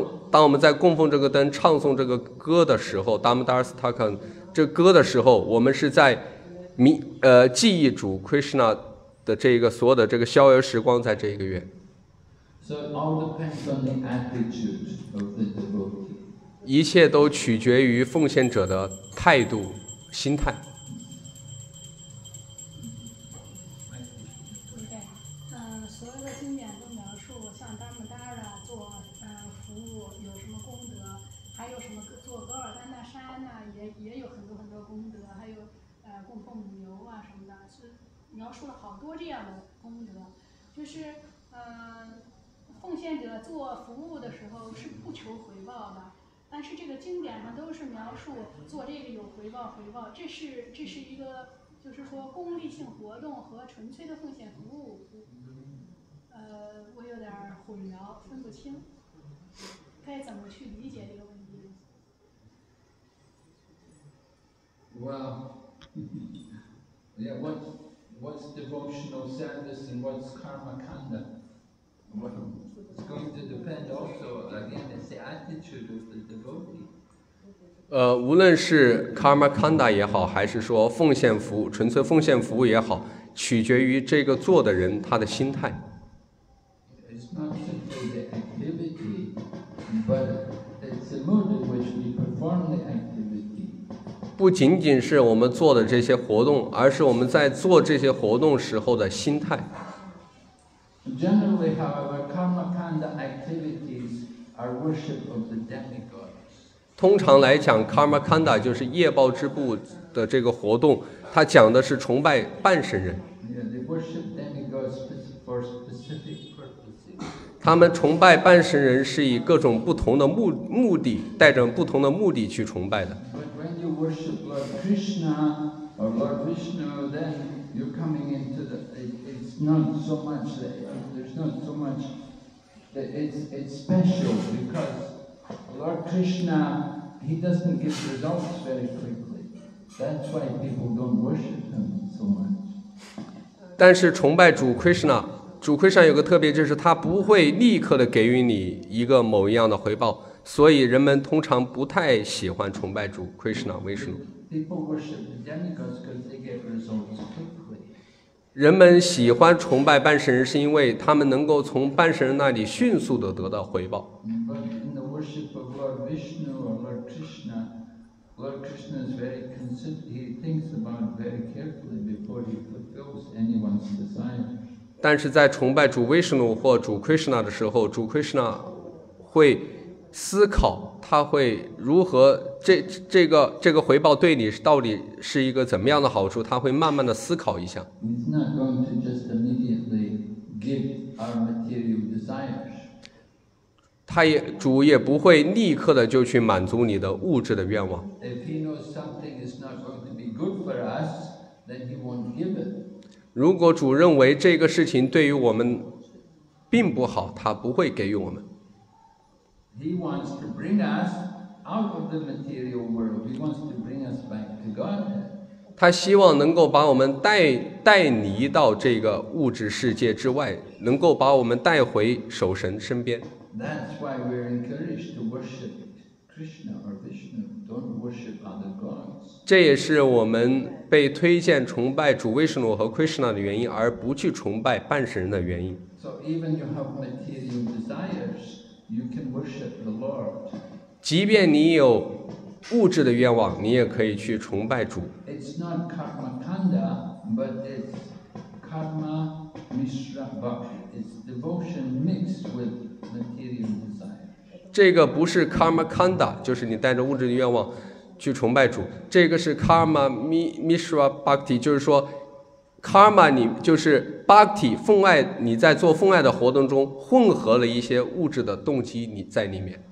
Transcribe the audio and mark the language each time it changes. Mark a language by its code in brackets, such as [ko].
[zh] 当我们在供奉这个灯唱诵这个歌的时候，达摩达尔斯塔肯这歌的时候，我们是在记忆主 Krishna 的这个所有的这个逍遥时光在这一个月。 [en] So it all depends on the attitude of the devotee. [zh] 一切都取决于奉献者的态度心态。所有的经典都描述像达摩达尔做服务有什么功德，还有什么做噶尔丹那山班呢也有很多很多功德，还有供奉牛啊什么的，是描述了好多这样的功德，就是奉献者做服务的时候是不求回报的，但是这个经典上都是描述做这个有回报，回报这是一个就是说功利性活动和纯粹的奉献服务，我有点混淆分不清该怎么去理解这个问题。 [en] Well, yeah, what's devotional service and what's karma kanda? It's going to depend also again it's the attitude of the devotee. [zh] 无论是 karma kanda 也好，还是说奉献服务，纯粹奉献服务也好，取决于这个做的人他的心态。 [en] It's not simply the activity, but it's the mood in which we perform the activity. [zh] 不仅仅是我们做的这些活动，而是我们在做这些活动时候的心态。 [en] Generally, however, karma kanda activities are worship of the demigods. [zh] 通常来讲 ，karma kanda 就是业报之部的这个活动，它讲的是崇拜半神人。 [en] Yeah, they worship demigods for specific purposes. [zh] 他们崇拜半神人是以各种不同的目的，带着不同的目的去崇拜的。 [en] Worship Lord Krishna or Lord Vishnu, then you're coming into the. It's not so much that there's not so much that it's special because Lord Krishna he doesn't give results very quickly. That's why people don't worship him so much. [zh] 但是崇拜主 Krishna。主 Krishna 有个特别，就是他不会立刻的给予你一个某一样的回报，所以人们通常不太喜欢崇拜主 Krishna 为什么？ [en] People worship the demigods because they get results quickly. [zh] 人们喜欢崇拜半神人，是因为他们能够从半神人那里迅速的得到回报。 [en] But in the worship of Lord Vishnu or Lord Krishna, Lord Krishna is very concerned. He thinks about it very carefully before he fulfills anyone's desire. [zh] 但是在崇拜主 Vishnu 或主 Krishna 的时候，主 Krishna 会思考，他会如何这个回报对你到底是一个怎么样的好处，他会慢慢的思考一下。 [en] He's not going to just immediately give our material desires. [zh] 主也不会立刻的就去满足你的物质的愿望。 [en] If he knows something is not going to be good for us, then he won't give it. [zh] 如果主认为这个事情对于我们并不好，他不会给予我们。 [en] He wants to bring us out of the material world. He wants to bring us back to God. [zh] 他希望能够把我们带离到这个物质世界之外，能够把我们带回守神身边。 [en] That's why we're encouraged to worship Krishna or Vishnu. Don't worship other gods. [zh] 这也是我们被推荐崇拜主 Vishnu 和 Krishna 的原因，而不去崇拜半神人的原因。 [en] So even you have material desires, you can worship the Lord. [zh] 即便你有物质的愿望，你也可以去崇拜主。 [en] It's not karma kanda, but it's karma mishra bhakti. It's devotion mixed with material desire. [zh] 这个不是 karma kanda, 就是你带着物质的愿望。去崇拜主，这个是 karma mishra bhakti， 就是说 karma 你就是 bhakti 奉爱，你在做奉爱的活动中混合了一些物质的动机你在里面。